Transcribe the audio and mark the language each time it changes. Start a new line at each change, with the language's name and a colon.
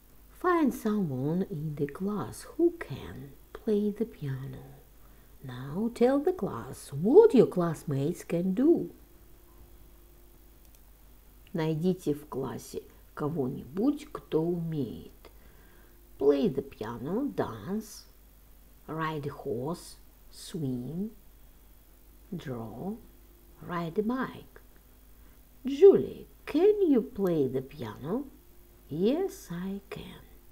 English: Find someone in the class who can play the piano. Now tell the class what your classmates can do.
Russian: Найдите в классе кого-нибудь, кто умеет.
English: Play the piano, dance, ride a horse, swim. Draw, ride a bike. Julie, can you play the piano? Yes, I can.